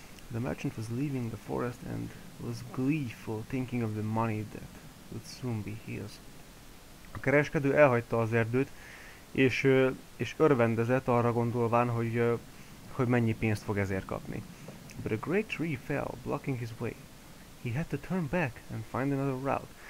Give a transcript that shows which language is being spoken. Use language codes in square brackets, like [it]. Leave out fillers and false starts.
[en] The merchant was leaving the forest and was gleeful, thinking of the money that would soon be his. [hu] A kereskedő elhagyta az erdőt, és örvendezett arra gondolván, hogy mennyi pénzt fog ezért kapni. [en] But a great tree fell, blocking his way. He had to turn back and find another route.